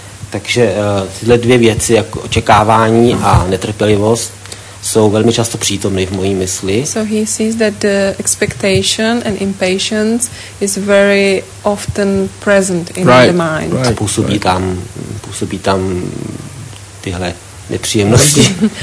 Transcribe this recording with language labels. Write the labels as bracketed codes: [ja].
[cs] Takže tyhle dvě věci, jako očekávání a netrpělivost, jsou velmi často přítomny v mojí mysli. [en] So he sees that the expectation and impatience is very often present in the mind. [cs] Působí tam tyhle nepříjemnosti.